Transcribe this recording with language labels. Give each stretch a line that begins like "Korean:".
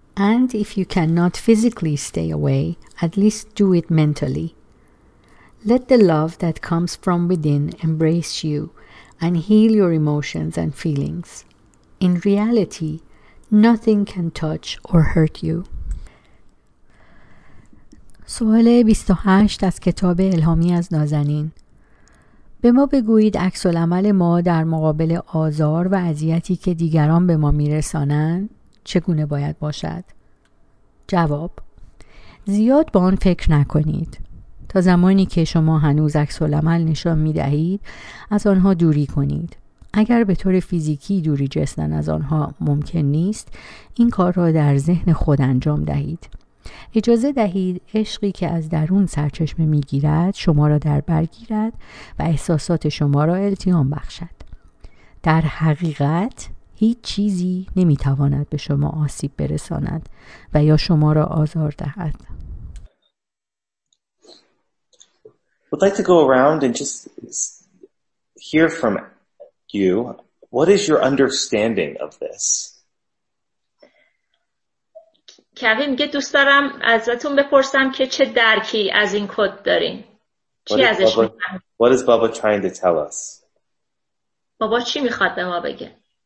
English: And if you cannot physically stay away, at least do it mentally. Let the love that comes from within embrace you and heal your emotions and feelings. In reality, nothing can touch or hurt you.
Persian: سوال 28 از کتاب الهامی از نازنین. به ما بگویید عکس العمل ما در مقابل آزار و اذیتی که دیگران به ما میرسانند چگونه باید باشد؟ جواب: زیاد با آن فکر نکنید. تا زمانی که شما هنوز عکس العمل نشان می دهید، از آنها دوری کنید. اگر به طور فیزیکی دوری جسدن از آنها ممکن نیست، این کار را در ذهن خود انجام دهید. اجازه دهید عشقی که از درون سرچشمه می گیرد، شما را در بر گیرد و احساسات شما را التیام بخشد. در حقیقت، هیچ چیزی نمی تواند به شما آسیب برساند و یا شما را آزار دهد.
English: We'd like to go around and just hear from you. What is your understanding of this?
Persian: کوی میگه دوست دارم ازتون بپرسم که چه درکی از این کد دارین؟ چی ازش میفهمید؟
English: What is Baba trying to tell us?
Persian: بابا چی میخواد به ما بگه؟